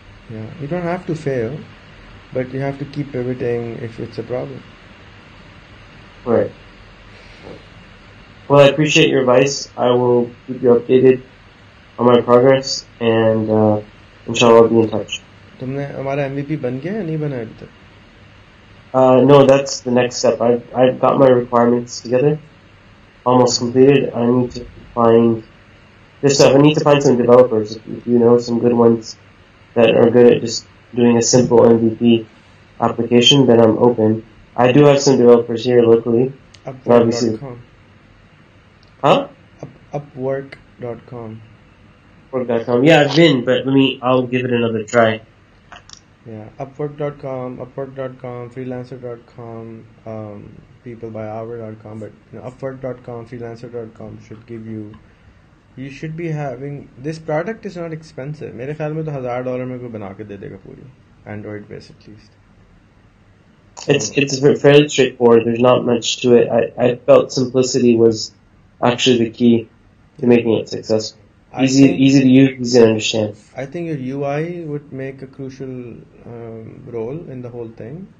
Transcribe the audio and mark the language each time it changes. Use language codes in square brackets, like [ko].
[en] Yeah, you don't have to fail, but you have to keep pivoting if it's a problem. Right. Well, I appreciate your advice. I will keep you updated on my progress, and inshallah, be in touch. [hi] तुमने हमारा MVP बन गया या नहीं बना अभी तक? [en] No, that's the next step. I've got my requirements together, almost completed. I need to find some developers. If you know some good ones that are good at just doing a simple MVP application, then I'm open. I do have some developers here locally. Upwork.com. Huh? Upwork.com. Upwork.com. Yeah, I've been, but I'll give it another try. Yeah, Upwork.com, Freelancer.com, PeopleByHour.com, but you know, Upwork.com, Freelancer.com should give you. You should be having this product is not expensive. [hi] मेरे ख्याल में तो $1,000 में कोई बना के दे देगा पूरी [en] Android based at least. It's fairly straightforward. There's not much to it. I felt simplicity was actually the key to making it successful. Easy to use, easy to understand. I think your UI would make a crucial role in the whole thing.